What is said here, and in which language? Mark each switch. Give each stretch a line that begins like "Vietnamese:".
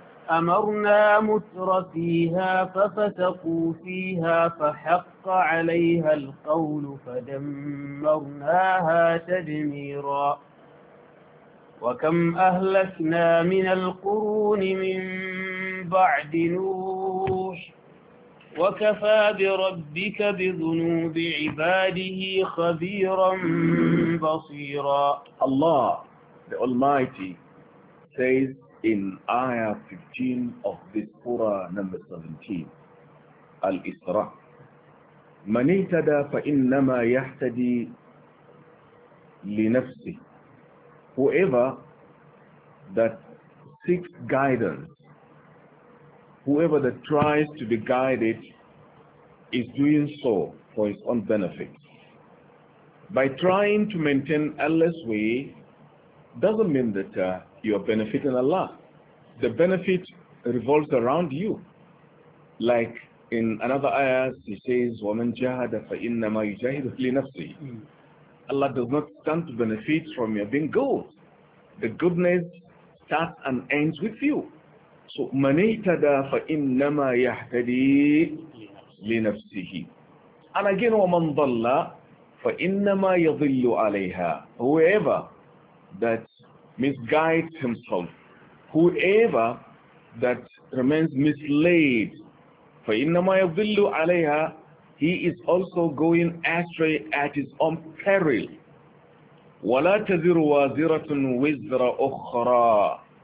Arabic: أمرنا مترفيها ففسقوا فيها فحق عليها القول فدمرناها تدميرا وكم أهلكنا من القرون من بعد نوح وكفى بربك بذنوب عباده خبيرا بصيرا.
English: Allah, the Almighty, says in Ayah 15 of this Surah number 17, Al-Isra,
Arabic: من اهتدى فإنما يهتدي لنفسه.
English: Whoever that seeks guidance, whoever that tries to be guided, is doing so for his own benefit. By trying to maintain Allah's way doesn't mean that you are benefiting Allah. The benefit revolves around you. Like in another ayah, he says,
Arabic: وَمَنْ جَهَدَ فَإِنَّمَا يُجَهِدُ لِنَفْسِهِ.
English: Allah does not stand to benefit from your being good. The goodness starts and ends with you.
Arabic: So, مَنْ اِهْتَدَى فَإِنَّمَا يَهْتَدِي لنفسه.
English: And again,
Arabic: وَمَنْ ضَلَّ فَإِنَّمَا يَضِلُّ عَلَيْهَا.
English: Whoever that misguides himself, whoever that remains misled,
Arabic: فَإِنَّمَا يَضِلُّ عَلَيْهَا,
English: he he is also going astray at his own peril.
Arabic: وَلَا تَذِرُ وَازِرَةٌ وِزْرَ أُخْرَى.